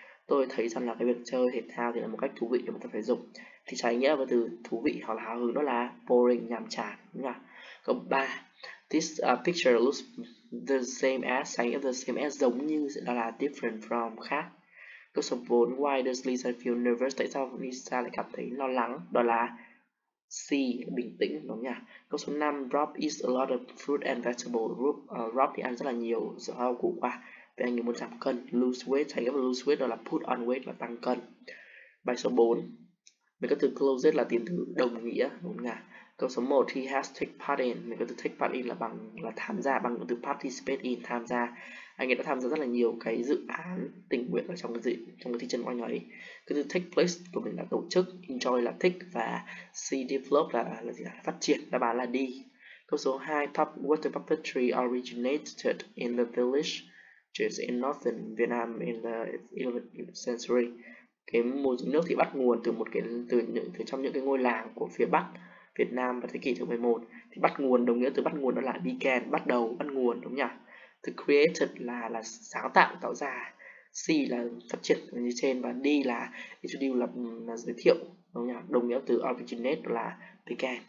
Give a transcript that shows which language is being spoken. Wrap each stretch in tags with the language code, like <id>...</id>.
<vi>Tôi thấy rằng là cái việc chơi thể thao thì là một cách thú vị để mà ta phải dùng. Thì trái nghĩa của từ thú vị hoặc là hào hứng đó là boring, nhàm chán, đúng không? Câu 3.</vi> <en>This picture looks the same as,</en> <vi>trái nghĩa the same as giống như, đó là different from, khác. Câu số 4.</vi> <en>Why does Lisa feel nervous?</en> <vi>Tại sao Lisa lại cảm thấy lo lắng? Đó là C, bình tĩnh, đúng không nhỉ? Câu số 5.</vi> <en>Rob eats a lot of fruit and vegetable.</en> <vi>Rob thì ăn rất là nhiều rau củ quả vì anh ấy muốn giảm cân. Lose weight, trái nghĩa của lose weight đó là put on weight, là tăng cân. Bài số 4. Mấy cái từ closest là tiền từ đồng nghĩa, đúng không nhỉ? Câu số 1.</vi> <en>He has take part in.</en> <vi>Mấy cái từ take part in là bằng là tham gia, bằng từ participate in, tham gia. Anh ấy đã tham gia rất là nhiều cái dự án tình nguyện ở trong cái gì, trong cái thị trấn của anh ấy. Cái từ take place của mình là tổ chức, enjoy là thích, và see develop là gì, là phát triển. Đáp án là D. Câu số 2.</vi> <en>Top water puppetry originated in the village which is in northern Vietnam in the 11th century.</en> <vi>Cái mùa dưới nước thì bắt nguồn từ một cái từ trong những cái ngôi làng của phía Bắc Việt Nam vào thế kỷ thứ 11. Thì bắt nguồn đồng nghĩa từ bắt nguồn đó là began, bắt đầu, bắt nguồn, đúng không nhỉ? To create là sáng tạo, tạo ra. C là phát triển như trên, và D là introduce là giới thiệu, đúng không nhỉ? Đồng nghĩa từ originate là began.</vi>